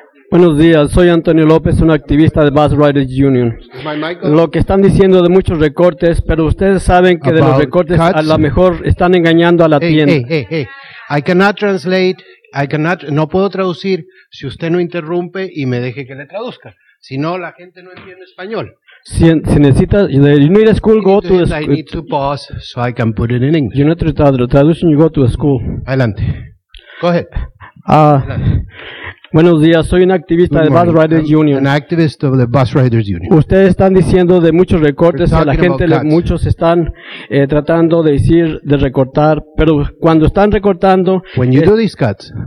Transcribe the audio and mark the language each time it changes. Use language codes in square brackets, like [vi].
[es] Buenos días, soy Antonio López, un activista de Bus Riders Union. Lo que están diciendo de muchos recortes, pero ustedes saben que de los recortes a lo mejor están engañando a la tienda. [en] I cannot translate. [es] No puedo traducir si usted no interrumpe y me deje que le traduzca. Si no, la gente no entiende español. Si necesitas, [en] you need a school, go to the school. I need to pause so I can put it in English. You need to translation, you go to the school. [es] Adelante. [en] Go ahead. [es] Buenos días, soy un activista de Bus Riders Union. [en] An activist of the Bus Riders Union. [es] Ustedes están diciendo de muchos recortes a la gente, muchos están tratando de decir de recortar, pero cuando están recortando, [en] when you do these cuts,